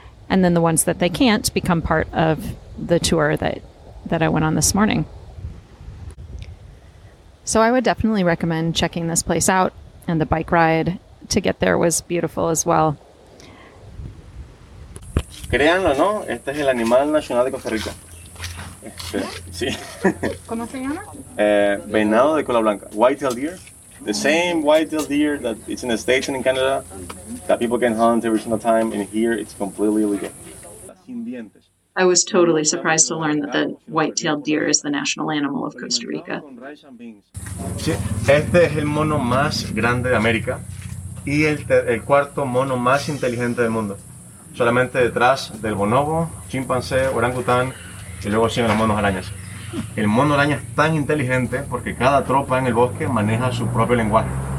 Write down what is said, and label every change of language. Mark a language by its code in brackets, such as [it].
[en] And then the ones that they can't become part of the tour that I went on this morning. So I would definitely recommend checking this place out, and the bike ride to get there was beautiful as well. [es] Créanlo, ¿no? Este es el animal nacional de Costa Rica. Sí. ¿Cómo se llama? Venado de cola blanca. [en] White-tailed deer. The same white-tailed deer that is in the States and in Canada, that people can hunt every single time, and here it's completely illegal. I was totally surprised to learn that the white-tailed deer is the national animal of Costa Rica. [es] Sí, este es el mono más grande de América y el cuarto mono más inteligente del mundo. Solamente detrás del bonobo, chimpancé, orangután y luego siguen los monos arañas. El mono araña es tan inteligente porque cada tropa en el bosque maneja su propio lenguaje.